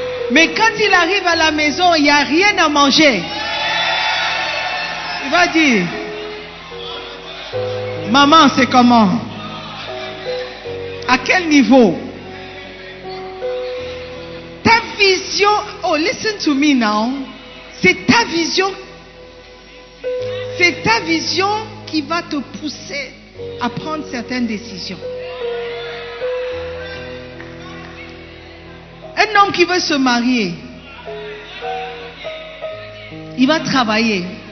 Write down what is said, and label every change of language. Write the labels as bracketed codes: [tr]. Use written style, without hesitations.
[fr] Mais quand il arrive à la maison, il n'y a rien à manger. Il va dire, maman, c'est comment? À quel niveau? [en] vision, oh, listen to me now. [fr] C'est ta vision. C'est ta vision qui va te pousser à prendre certaines décisions. Un homme qui veut se marier, il va travailler.